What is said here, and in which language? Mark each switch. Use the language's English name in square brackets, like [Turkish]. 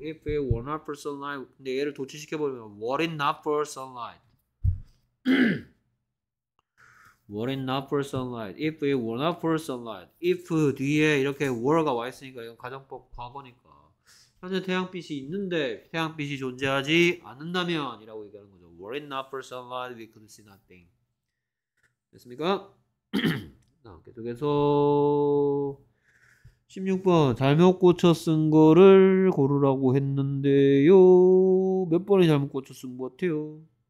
[English] If it were not for sunlight. [Korean] 근데 얘를 도치시켜버리면 [English] Were it not for sunlight? Were it not for sunlight? If it were not for sunlight? [Korean] If 뒤에 이렇게 were가 와있으니까 이건 가정법 과거니까 현재 태양빛이 있는데 태양빛이 존재하지 않는다면 이라고 얘기하는 거죠. [English] Were it not for sunlight, we could see nothing. [Korean] 됐습니까? 계속해서 16번 잘못 고쳐 쓴 거를 고르라고 했는데요. 몇 번이 잘못 고쳐 쓴거 같아요?